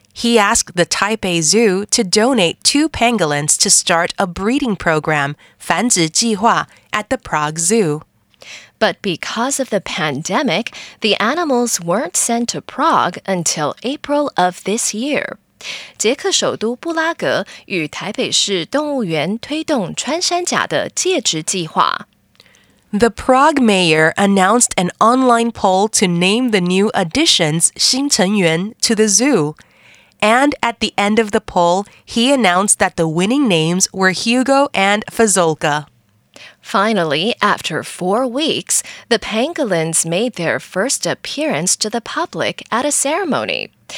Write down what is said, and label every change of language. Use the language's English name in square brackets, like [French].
[English] He asked the Taipei Zoo to donate two pangolins to start a breeding program, 繁殖计划, at the Prague Zoo. But because of the pandemic, the animals weren't sent to Prague until April of this year. [Chinese] 捷克首都布拉格与台北市动物园推动穿山甲的介质计划。 [English] The Prague mayor announced an online poll to name the new additions 新成员 to the zoo. And at the end of the poll, he announced that the winning names were Hugo and Fazolka. Finally, after 4 weeks, the pangolins made their first appearance to the public at a ceremony.